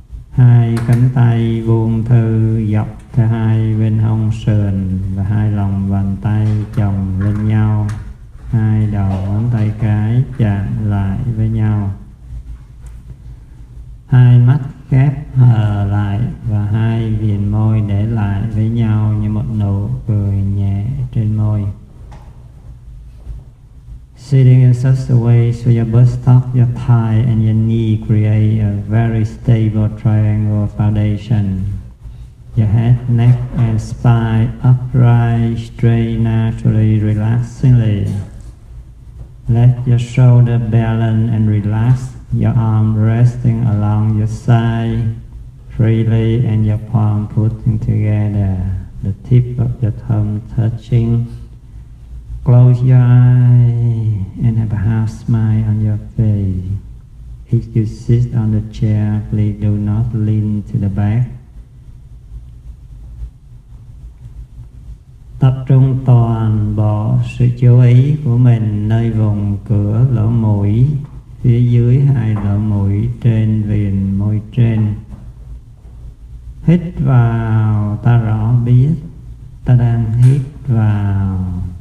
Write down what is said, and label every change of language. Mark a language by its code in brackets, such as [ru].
[vi] Hai cánh tay buông thư dọc theo hai bên hông sườn và hai lòng bàn tay chồng lên nhau. Hai đầu ngón tay cái chạm lại với nhau. Hai mắt khép hờ lại và hai viền môi để lại với nhau như một nụ cười nhẹ trên môi. [en] Sitting in such a way so your buttock, your thigh and your knee create a very stable triangle foundation. Your head, neck and spine upright, straight, naturally, relaxingly. Let your shoulder balance and relax, your arm resting along your side freely and your palm putting together, the tip of your thumb touching. Close your eyes and have a half smile on your face. If you sit on the chair, please do not lean to the back. [vi] Tập trung toàn bộ sự chú ý của mình nơi vùng cửa lỗ mũi, phía dưới hai lỗ mũi trên viền môi trên. Hít vào, ta rõ biết, ta đang hít vào.